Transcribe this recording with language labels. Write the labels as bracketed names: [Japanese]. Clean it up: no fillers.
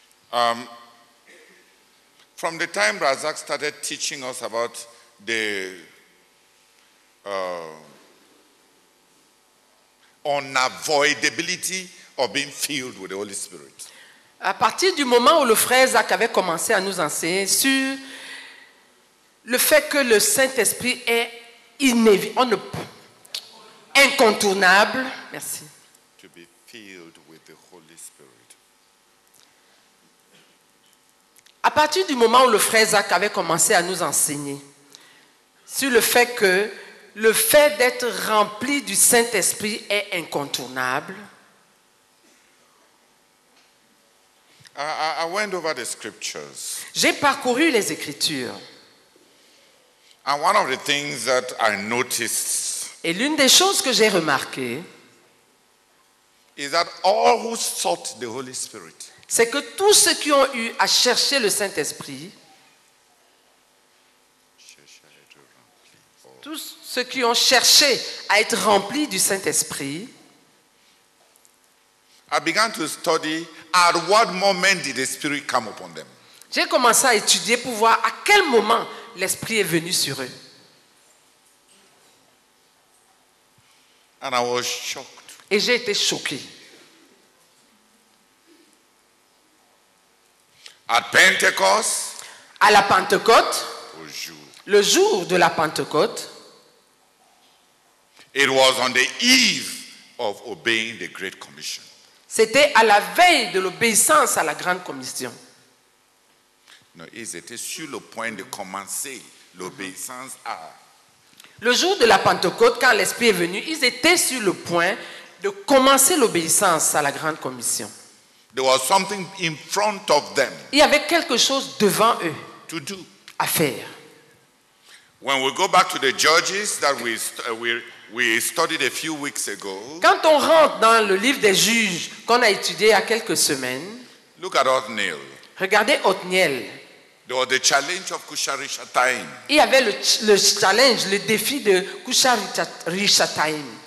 [English] From the time Razak started teaching us about the unavoidability of being filled with the Holy Spirit. [French] À partir du moment où le frère Zach avait commencé à nous enseigner sur le fait que le Saint-Esprit est inévitable. incontournable. Merci. [English] To be filled with the Holy Spirit. [French] À partir du moment où le frère Zach avait commencé à nous enseigner sur le fait que le fait d'être rempli du Saint-Esprit est incontournable. [English] I went over the scriptures. [French] J'ai parcouru les Écritures. [English] And one of the things that I noticed. [French] Et l'une des choses que j'ai remarquées. [English] Is that all who sought the Holy Spirit. [French] C'est que tous ceux qui ont eu à chercher le Saint-Esprit. Tous ceux qui ont cherché à être remplis du Saint-Esprit. [English] I began to study at what moment did the Spirit come upon them. [French] J'ai commencé à étudier pour voir à quel moment l'Esprit est venu sur eux. [English] And I was shocked. [French] Et j'ai été choqué. [English] At Pentecost, [French] à la Pentecôte, au jour. Le jour de la Pentecôte, [English] it was on the eve of obeying the Great Commission. [French] C'était à la veille de l'obéissance à la Grande Commission. Non, ils étaient sur le point de commencer l'obéissance à. Le jour de la Pentecôte, quand l'Esprit est venu, ils étaient sur le point de commencer l'obéissance à la Grande Commission. [English] There was something in front of them. [French] Il y avait quelque chose devant eux [English] to do. [French] À faire. [English] When we go back to the Judges that we studied a few weeks ago. [French] Quand on rentre dans le livre des juges qu'on a étudié il y a quelques semaines. [English] Look at Othniel. [French] Regardez Othniel. [English] There was the challenge of Cusharishathaim. [French] Il y avait le challenge, le défi de Cusharishathaim.